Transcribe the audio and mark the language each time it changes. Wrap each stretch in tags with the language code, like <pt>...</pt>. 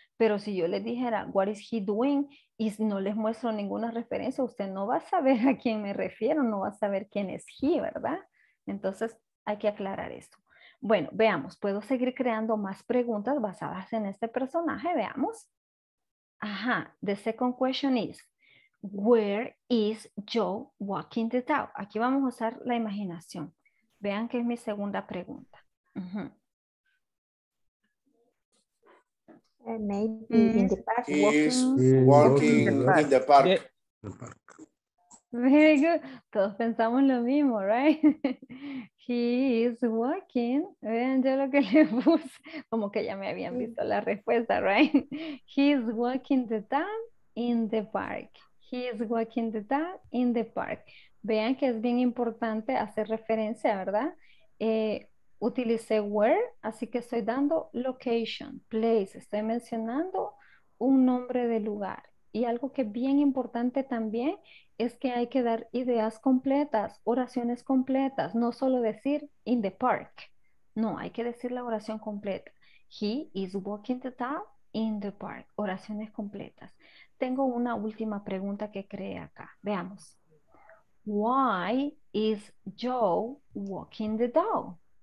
<es>Pero si yo le dijera,</es> <en>what is he doing?</en> <es>Y no les muestro ninguna referencia, usted no va a saber a quién me refiero, no va a saber quién es he, ¿verdad? Entonces hay que aclarar esto. Bueno, veamos, puedo seguir creando más preguntas basadas en este personaje, veamos.</es> <en>Ajá, the second question is, where is Joe walking the dog?</en> <es>Aquí vamos a usar la imaginación. Vean que es mi segunda pregunta.</es> <en>Maybe in the park. He is walking in the park. Very good.</en> <es>Todos pensamos lo mismo,</es> <en>right? He is walking.</en> <es>Vean yo lo que le puse. Como que ya me habían visto la respuesta, right?</es> <en>He is walking the dog in the park. He is walking the dog in the park.</en> <es>Vean que es bien importante hacer referencia, ¿verdad? Utilicé where, así que estoy dando location, place. Estoy mencionando un nombre de lugar. Y algo que es bien importante también es que hay que dar ideas completas, oraciones completas. No solo decir</es> <en>in the park.</en> <es>No, hay que decir la oración completa.</es> <en>He is walking the dog in the park.</en> <es>Oraciones completas. Tengo una última pregunta que creé acá. Veamos.</es> <en>Why is Joe walking the dog?</en>